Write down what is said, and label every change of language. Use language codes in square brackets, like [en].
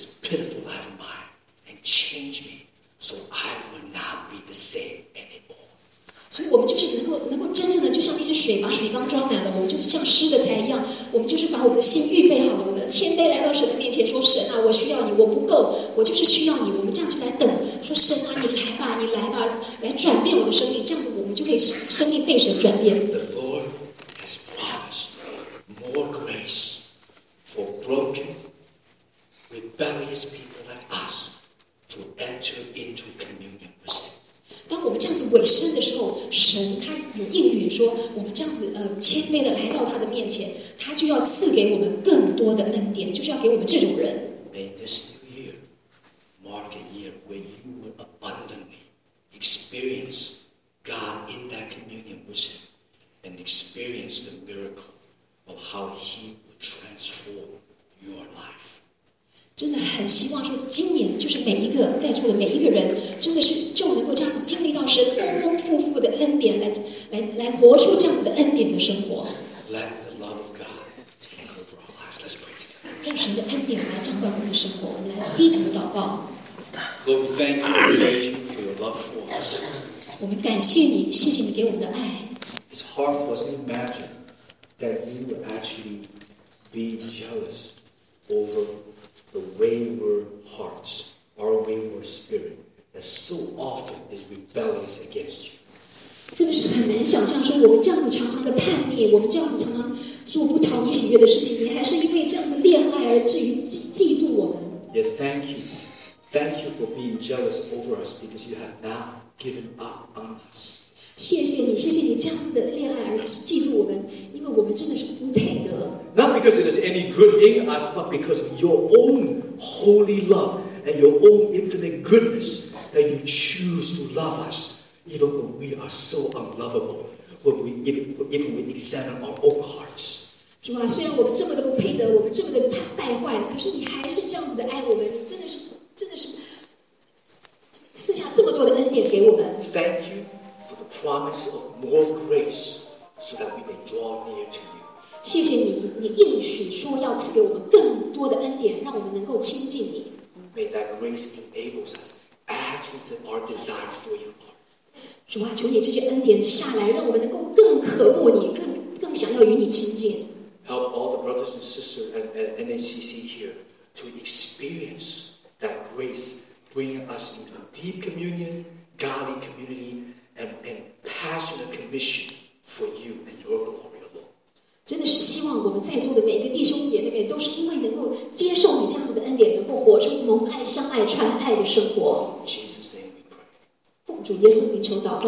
[en] Pitiful life of mine, and change me, so I will not be the same anymore. [zh] 所以我们就是能够真正的，就像那些水，把水缸装满了，我们就是像施的财一样，我们就是把我们的心预备好了，我们谦卑来到神的面前，说神啊，我需要你，我不够，我就是需要你。我们这样就来等，说神啊，你来吧，来转变我的生命，这样子我们就可以生命被神转变。 [en] The Lord has promised more grace for broken. Rebellious people like us to enter into communion with Him. [zh] 当我们这样子委身的时候，神他有应允说，我们这样子谦卑的来到他的面前，他就要赐给我们更多的恩典，就是要给我们这种人。 [en] May this new year mark a year where you will abundantly experience God in that communion with Him and experience the miracle of how He will transform your life. [zh] 真的很希望说，今年就是每一个在座的每一个人，真的是就能够这样子经历到神丰丰富富的恩典来活出这样子的恩典的生活。 [en] Let the love of God take over our lives. Let's pray together. [zh] 让神的恩典来掌管我们的生活，我们来低头祷告。 [en] Lord, we thank you and praise you for your love for us. [zh] 我们感谢你，谢谢你给我们的爱。 [en] It's hard for us to imagine that you would actually be jealous over. The wayward hearts, our wayward spirit, that so often is rebellious against you. [zh] 真的是很难想象说我们这样子常常的叛逆，我们这样子常常做不讨你喜悦的事情，你还是因为这样子恋爱而至于嫉妒我们。 [en] Yet thank you for being jealous over us because you have not given up on us. [zh] 谢谢你这样子的恋爱而嫉妒我们，因为我们真的是不配得。 [en] Not because it is any good in us, but because of your own holy love and your own infinite goodness that you choose to love us, even when we are so unlovable, even when we examine our own hearts. [zh] 主啊，虽然我们这么的不配得，我们这么的败坏，可是你还是这样子的爱我们，你真的是赐下这么多的恩典给我们。 [en] Thank you for the promise of more grace, so that we may draw near to you. [zh] 谢谢你，你应许说要赐给我们更多的恩典，让我们能够亲近你。 [en] May that grace enables us to add to our desire for you. [zh] 主啊，求你这些恩典下来，让我们能够更渴慕你，更想要与你亲近。 [en] Help all the brothers and sisters at NACC here to experience that grace, bringing us into deep communion, godly community, and passionate commission for you and your glory. [zh] 真的是希望我们在座的每个弟兄姐妹都是因为能够接受你这样子的恩典，能够活出蒙爱、相爱、传爱的生活。奉主耶稣名求祷告，